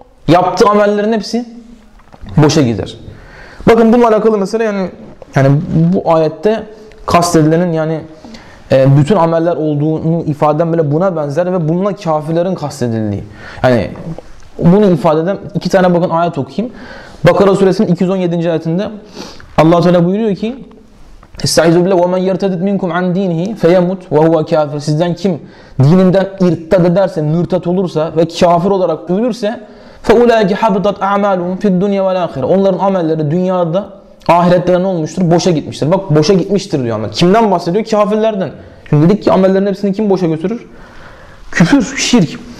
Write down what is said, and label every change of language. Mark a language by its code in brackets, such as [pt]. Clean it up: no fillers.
[tr] Yaptığı amellerin hepsi boşa gider. Bakın bununla alakalı mesela yani bu ayette kastedilenin yani bütün ameller olduğunu ifade eden bile buna benzer ve bununla kafirlerin kastedildiği. Yani bunu ifade eden iki tane bakın ayet okuyayım. Bakara suresinin 217. ayetinde Allah-u Teala buyuruyor ki [ar] اِسْتَعِذُ بِلَا وَمَنْ يَرْتَدِدْ مِنْكُمْ عَنْ دِينِهِ فَيَمُتْ وَهُوَ كَافِرٌ. [tr] Sizden kim dininden irtad ederse, mürtad olursa ve kafir olarak ölürse [ar] فَاُولَٰيكِ حَبِطَتْ اَعْمَالُهُمْ فِي الدُّنْيَا وَالْآخِرَةِ. [tr] Onların amelleri dünyada, ahirette ne olmuştur? Boşa gitmiştir. Bak boşa gitmiştir diyor amel. Kimden bahsediyor? Kafirlerden. Şimdi dedik ki amellerin hepsini kim boşa götürür? Küfür, şirk.